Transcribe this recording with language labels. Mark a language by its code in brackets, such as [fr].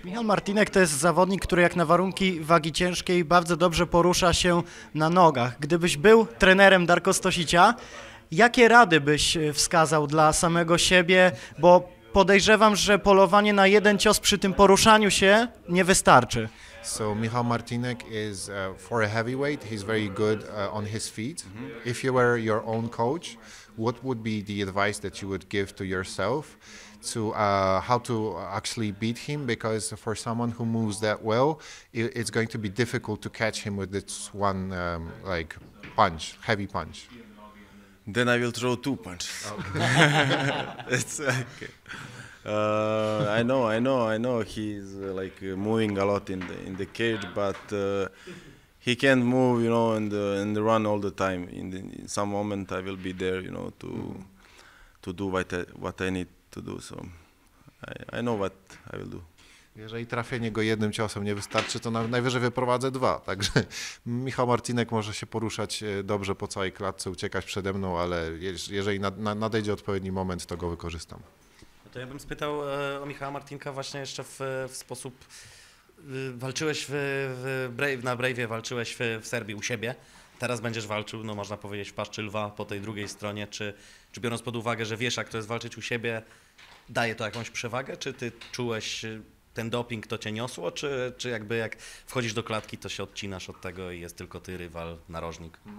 [pl] Michał Martinek to jest zawodnik, który jak na warunki wagi ciężkiej bardzo dobrze porusza się na nogach. Gdybyś był trenerem Darko Stosicia, jakie rady byś wskazał dla samego siebie? Bo podejrzewam, że polowanie na jeden cios przy tym poruszaniu się nie wystarczy. [en] So Michał Martinek is for a heavyweight, he's very good on his feet. If you were your own coach, what would be the advice that you would give to yourself to how to actually beat him? Because for someone who moves that well, it's going to be difficult to catch him with this one punch, heavy punch. Then I will throw two punches. It's okay. I know he's moving a lot in the cage, but he can't move, you know, and run all the time. In some moment I will be there, you know, to do what I need to do, so I know what I will do. [pl] Jeżeli trafienie go jednym ciosem nie wystarczy, to najwyżej wyprowadzę dwa, także Michał Martinek może się poruszać dobrze po całej klatce, uciekać przede mną, ale jeżeli nadejdzie odpowiedni moment, to go wykorzystam. To ja bym spytał o Michała Martinka właśnie jeszcze w sposób, walczyłeś na Brave'ie, walczyłeś w Serbii u siebie, teraz będziesz walczył, no można powiedzieć, w paszczy lwa po tej drugiej stronie, czy biorąc pod uwagę, że wiesz, jak to jest walczyć u siebie, daje to jakąś przewagę, czy ty czułeś ten doping, to cię niosło, czy jakby jak wchodzisz do klatki, to się odcinasz od tego i jest tylko ty rywal, narożnik?